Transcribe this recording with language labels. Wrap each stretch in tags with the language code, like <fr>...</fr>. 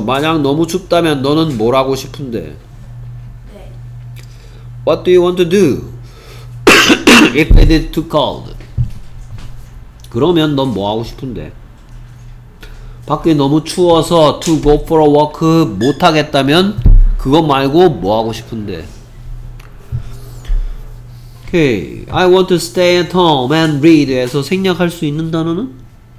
<ko>만약 너무 춥다면 너는 뭘 하고 싶은데?</ko> <en>What do you want to do if it is too cold?</en> <ko>그러면 넌 뭐 하고 싶은데? 밖에 너무 추워서</ko> <en>to go for a walk</en> <ko>못 하겠다면 그거 말고 뭐 하고 싶은데?</ko> <en>Okay, I want to stay at home and read.</en> <ko>에서 생략할 수 있는 단어는?</ko>